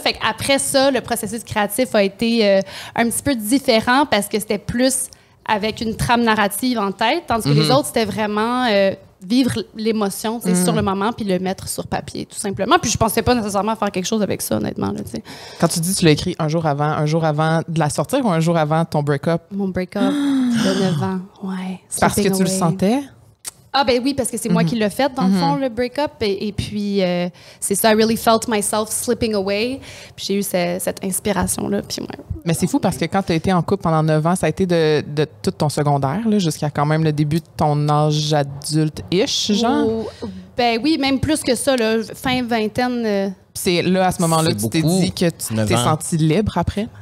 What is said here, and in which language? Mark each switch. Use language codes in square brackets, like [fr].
[fr] Fait qu'après ça, le processus créatif a été un petit peu différent parce que c'était plus avec une trame narrative en tête, tandis que les autres, c'était vraiment vivre l'émotion sur le moment puis le mettre sur papier, tout simplement. Puis je pensais pas nécessairement faire quelque chose avec ça, honnêtement. Là, t'sais. Quand tu dis que tu l'as écrit un jour avant de la sortir ou un jour avant ton break-up? Mon break-up de 9 ans, ouais. Parce que tu le sentais? Ah ben oui, parce que c'est moi qui l'ai fait dans le fond, le break-up. Et puis, c'est ça, [en] I really felt myself slipping away. [fr] Puis j'ai eu cette inspiration-là. Puis ouais. Mais c'est fou parce que quand tu as été en couple pendant 9 ans, ça a été de tout ton secondaire, là, jusqu'à quand même le début de ton âge adulte-ish, genre. Ben oui, même plus que ça, là, fin vingtaine. C'est là, à ce moment-là, tu t'es dit que tu t'es sentie libre après?